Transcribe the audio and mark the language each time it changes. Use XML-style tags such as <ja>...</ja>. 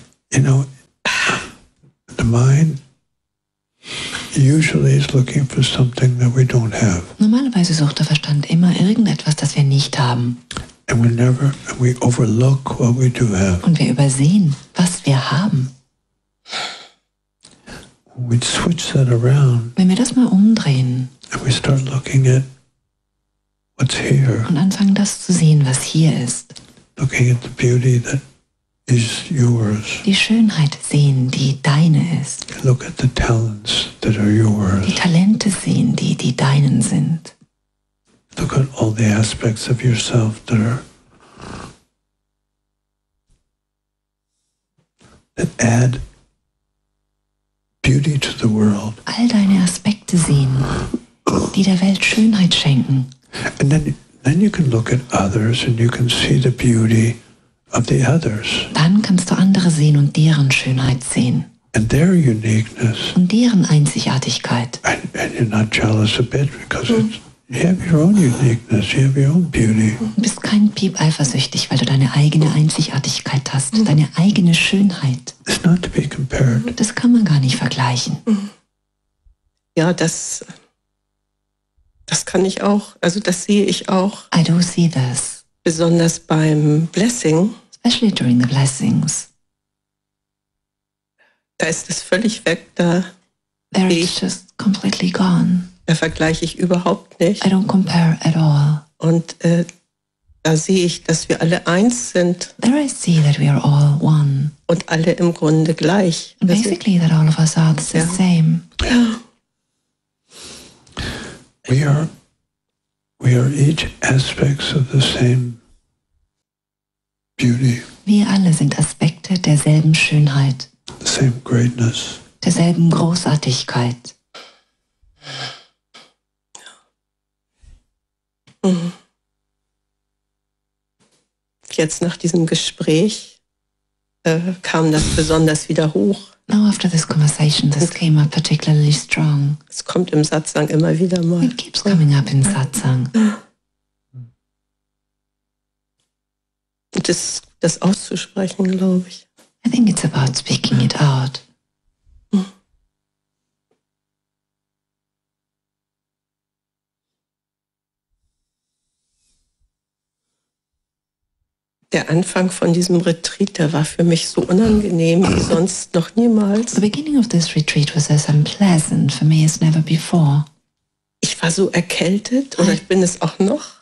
<en>You know, the mind usually is looking for something that we don't have.</en> <de>Normalerweise sucht der Verstand immer irgendetwas, das wir nicht haben.</de> <en>And we overlook what we do have.</en> <de>Und wir übersehen, was wir haben.</de> <en>We switch that around.</en> <de>Wenn wir das mal umdrehen.</de> <en>And we start looking at what's here.</en> <de>Und anfangen das zu sehen, was hier ist.</de> <en>Looking at the beauty that is yours.</en> <de>Die Schönheit sehen, die deine ist.</de> <en>Look at the talents that are yours.</en> <de>Die Talente sehen, die deinen sind.</de> <en>Look at all the aspects of yourself that add beauty to the world.</en> <de>All deine Aspekte sehen, die der Welt Schönheit schenken.</de> <en>And then you can look at others and you can see the beauty of the others.</en> <de>Dann kannst du andere sehen und deren Schönheit sehen.</de> <en>And their uniqueness.</en> <de>Und deren Einzigartigkeit.</de> <en>And you're not jealous a bit because you have your own uniqueness, you have your own beauty.</en> <de>Du bist kein Piep eifersüchtig, weil du deine eigene Einzigartigkeit hast, deine eigene Schönheit.</de> <en>It's not to be compared.</en> <de>Das kann man gar nicht vergleichen. Ja, das kann ich auch, also das sehe ich auch.</de> <en>I do see this.</en> <de>Besonders beim Blessing.</de> <en>Especially during the blessings.</en> <de>Da ist es völlig weg, da.</de> <en>There is just completely gone.</en> <de>Da vergleiche ich überhaupt nicht.</de> <en>I don't compare at all.</en> <de>Und da sehe ich, dass wir alle eins sind.</de> <en>There I see that we are all one.</en> <de>Und alle im Grunde gleich.</de> <en>And basically that all of us are the same. We are each aspects of the same beauty.</en> <de>Wir alle sind Aspekte derselben Schönheit.</de> <en>The same greatness.</en> <de>Derselben Großartigkeit. Jetzt nach diesem Gespräch kam das besonders wieder hoch.</de> <en>Now after this conversation, this came up particularly strong.</en> <de>Es kommt im Satsang immer wieder mal.</de> <en>It keeps coming up in Satsang.</en> <de>das auszusprechen, glaube ich.</de> <en>I think it's about speaking it out.</en> <de>Der Anfang von diesem Retreat, der war für mich so unangenehm wie sonst noch niemals.</de> <en>The beginning of this retreat was as unpleasant for me as never before.</en> <de>Ich war so erkältet, oder ich bin es auch noch.</de>